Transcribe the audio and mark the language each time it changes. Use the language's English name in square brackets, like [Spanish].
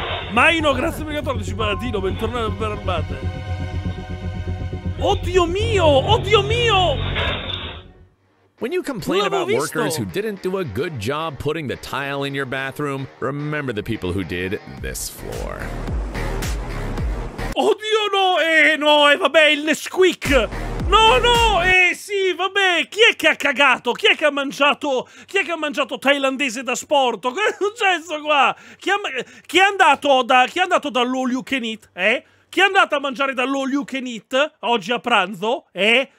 [Italian] Maino, grazie mille per il paladino, bentornato per armate. Oddio mio, oddio mio! [English] When you complain about workers who didn't do a good job putting the tile in your bathroom, remember the people who did this floor. [Italian] Oddio no, no, vabbè, il Nesquik! No, no, sì, vabbè, chi è che ha cagato? Chi è che ha mangiato? Chi è che ha mangiato thailandese da sport? Che è successo qua? Chi è andato da all'all you can eat, eh? Chi è andato a mangiare da all you can eat oggi a pranzo, eh?